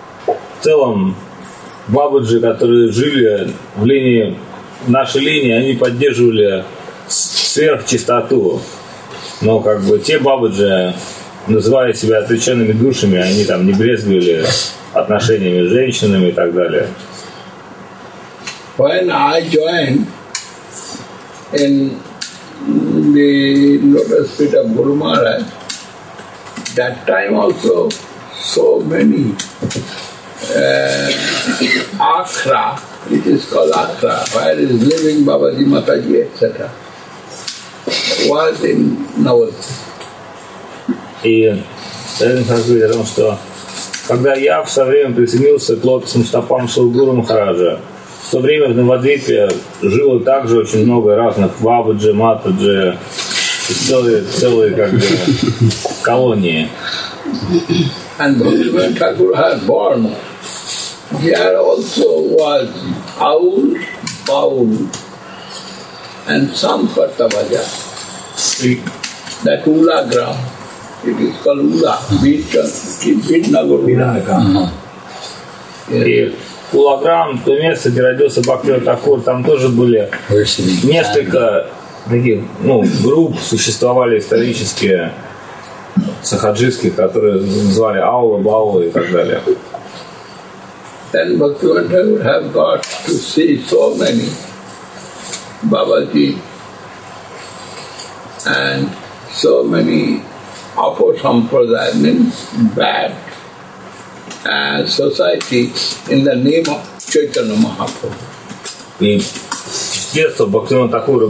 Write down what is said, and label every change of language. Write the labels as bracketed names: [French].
[Russian] В целом, бабаджи, которые жили в линии, в нашей линии, они поддерживали сверхчистоту. Но как бы те бабаджи, называя себя отвлеченными душами, они там не брезгивали отношениями с женщинами и так далее. [English] When I joined in the lotus feet of Guru Maharaj, that time also so many Akhra, it is called Akhra, where is living Babaji, Mataji, etc., was in Navadvipa. And when I was in the time of the lotus feet of Guru Maharaj, [Russian] в то время в Навадвипе жило также очень много разных бабаджи, матаджи, целые как бы колонии. [English] And when Thakur had born, there also was Aul, Baul, and some Kottabaja. That Ula gram, it is called Ula, Bidnagurna. [Russian] Кулаграм, то место, где родился Бхактивинода Тхакур, там тоже были несколько таких, ну, групп, существовали исторические сахаджистские, которые звали Аула, Баула и так далее. [English] Then Бхактивинода Тхакур have got to see so many Бабаджи and so many апасампрадая, means bad society in the name of Chaitanya Mahaprabhu.